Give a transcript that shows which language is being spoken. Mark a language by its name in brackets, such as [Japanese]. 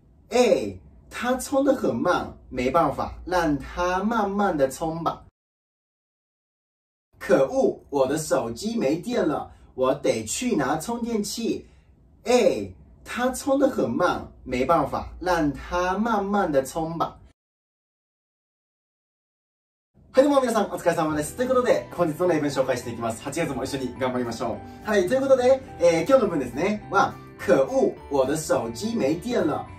[Chinese] 哎，它充得很慢，没办法，让它慢慢的充吧。可恶，我的手机没电了，我得去拿充电器。哎，它充得很慢，没办法，让它慢慢的充吧。 [Japanese] はい、どうも皆さん、お疲れ様です。ということで、本日の例文紹介していきます。8月も一緒に頑張りましょう。はい、ということで、今日の文ですね。 [Chinese] は、可恶、我的手机没电了。